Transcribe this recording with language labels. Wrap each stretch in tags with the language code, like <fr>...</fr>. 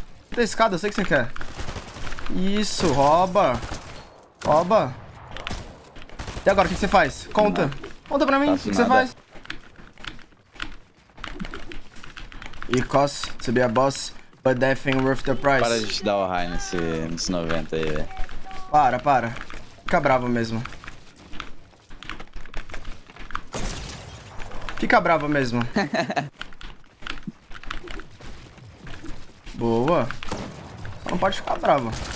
<pt>Da escada, eu sei que você quer. Isso, rouba. Rouba. E agora, o que você faz? Conta. Não. Conta pra mim, o que você faz?</pt> <en>E cost to be a boss, but that thing worth the price.</en> <pt>Para de te dar o high nesse 90 aí, velho. Para, para. Fica bravo mesmo. Fica bravo mesmo. Boa. Só não pode ficar bravo.</pt>